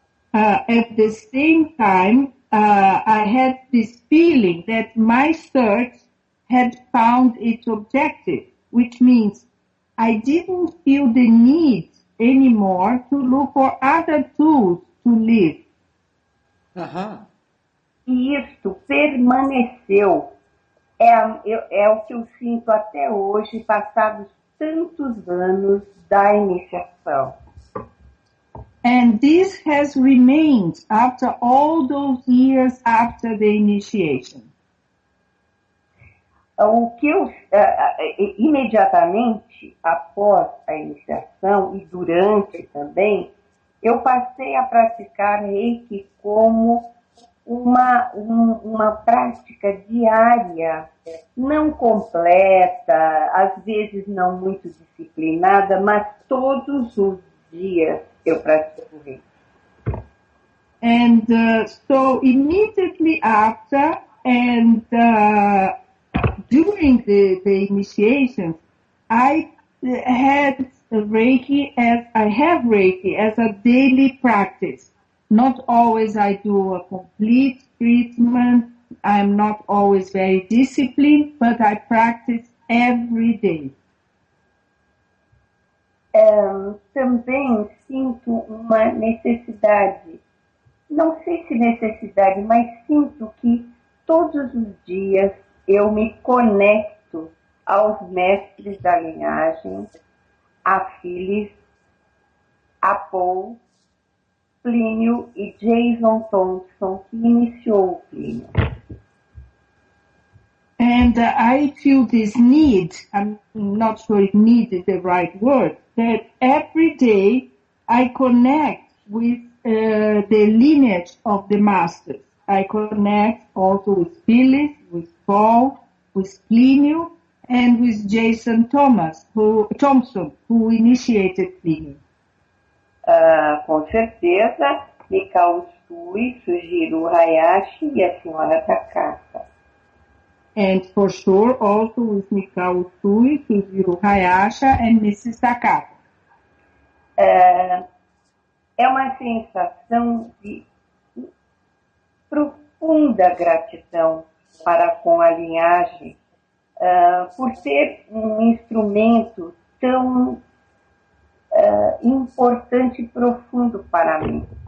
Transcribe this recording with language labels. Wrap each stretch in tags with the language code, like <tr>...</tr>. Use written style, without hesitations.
<en>At the same time, I had this feeling that my search had found its objective, which means I didn't feel the need anymore to look for other tools to live.</en> <pt>E isto permaneceu. É o que eu sinto até hoje, passados tantos anos da iniciação.</pt> <en>And this has remained after all those years after the initiation.</en> <pt>O que eu, imediatamente após a iniciação e durante também, eu passei a praticar Reiki como uma prática diária, não completa, às vezes não muito disciplinada, mas todos os dias eu pratico Reiki.</pt> <en>And so immediately after and during the initiation, I have Reiki as a daily practice. Not always I do a complete treatment. I'm not always very disciplined, but I practice every day.</en> <pt>Também sinto uma necessidade. Não sei se necessidade, mas sinto que todos os dias eu me conecto aos mestres da linhagem, a Phyllis, a Paul, Plínio e Jason Thompson, que iniciou o Plínio.</pt> <en>And I feel this need, I'm not sure if need is the right word, that every day I connect with the lineage of the masters. I connect also with Phyllis, with Paul, with Plínio, and with Jason Thompson, who initiated Plínio.</en> <pt>Com certeza, Mikau Stui, Sugiro Hayashi e a senhora Takata.</pt> <en>And for sure, also with Mikau Stui, Sugiro Hayashi and Mrs. Takata.</en> <pt>É uma sensação de profunda gratidão para com a linhagem, por ser um instrumento tão importante e profundo para mim.</pt>